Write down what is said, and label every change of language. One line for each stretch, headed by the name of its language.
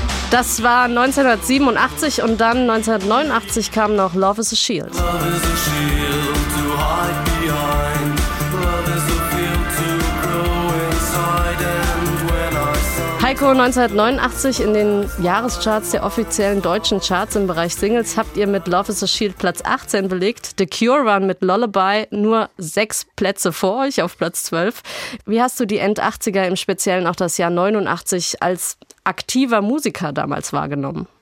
German: Das war 1987 und dann 1989 kam noch Love is a Shield.
English: Love is a shield to hide behind. Love is a field to grow inside and when I saw.
German: Heiko, 1989 in den Jahrescharts der offiziellen deutschen Charts im Bereich Singles habt ihr mit Love is a Shield Platz 18 belegt. The Cure Run mit Lullaby nur 6 Plätze vor euch auf Platz 12. Wie hast du die End-80er, im Speziellen auch das Jahr 89, als aktiver Musiker damals wahrgenommen?